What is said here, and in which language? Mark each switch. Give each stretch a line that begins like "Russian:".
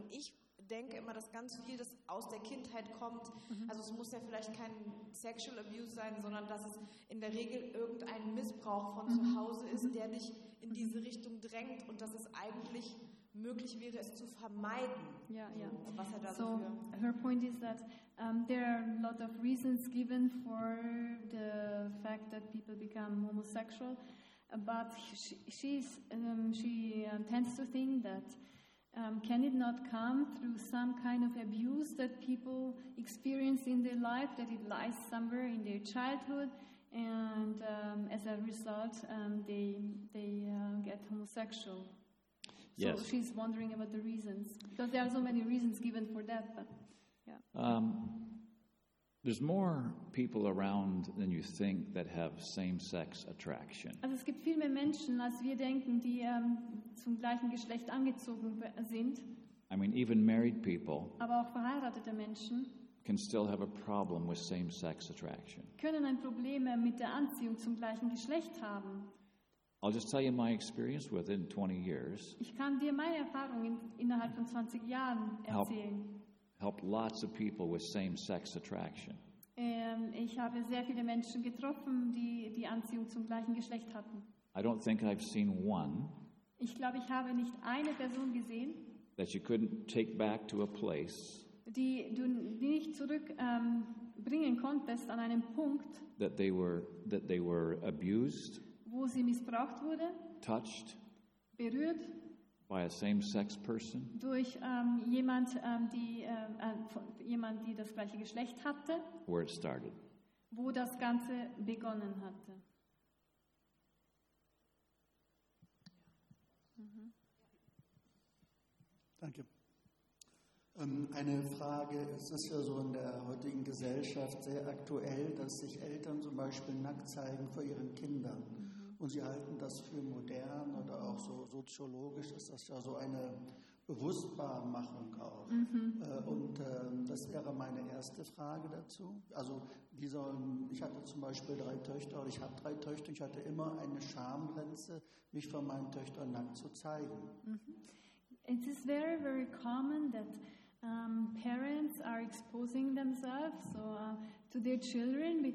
German: Und ich denke immer, dass ganz viel das aus der Kindheit kommt. Also es muss ja vielleicht kein Sexual Abuse sein, sondern dass es in der Regel irgendein Missbrauch von zu Hause ist, der dich in diese Richtung drängt und dass es eigentlich möglich wäre, es zu vermeiden. Was er da so
English: her point is that there are a lot of reasons given for the fact that people become homosexual, but she tends to think that can it not come through some kind of abuse that people experience in their life, that it lies somewhere in their childhood, and as a result, they get homosexual? Yes. So she's wondering about the reasons. Because there are so many reasons given for that. But yeah. There's more people around than you think that have same-sex attraction.
German: Also es gibt viel mehr Menschen, als wir denken, die zum gleichen Geschlecht angezogen sind.
English: I mean, even married people.
German: Aber auch verheiratete Menschen
English: can still have a problem with same-sex attraction.
German: Können ein Problem mit der Anziehung zum gleichen Geschlecht haben.
English: I'll just tell you my experience with it in 20 years.
German: Ich kann dir meine Erfahrung innerhalb von 20 Jahren erzählen.
English: Help lots of people with same-sex attraction.
German: Ich habe sehr viele Menschen getroffen, die Anziehung zum gleichen Geschlecht hatten.
English: I don't think I've seen one.
German: Ich glaube, ich habe nicht eine Person gesehen,
English: that you couldn't take back to a place,
German: die du nicht zurückbringen konntest an einem Punkt,
English: that they were abused,
German: wo sie missbraucht wurde,
English: touched,
German: berührt.
English: By a same-sex person?
German: Durch jemand, die das gleiche Geschlecht hatte.
English: Where it started.
German: Wo das Ganze begonnen hatte. Danke. Eine Frage, es ist ja so in der heutigen Gesellschaft sehr aktuell, dass sich Eltern zum Beispiel nackt zeigen vor ihren Kindern. Und Sie halten das für modern oder auch so soziologisch ist das ja so eine Bewusstbarmachung auch. Mhm. Das wäre meine erste Frage dazu. Also wie sollen, ich hatte zum Beispiel drei Töchter, oder ich habe drei Töchter, ich hatte immer eine Schamgrenze, mich von meinen Töchtern nackt zu zeigen. Mhm.
English: It is very, very common that parents are exposing themselves so to their children.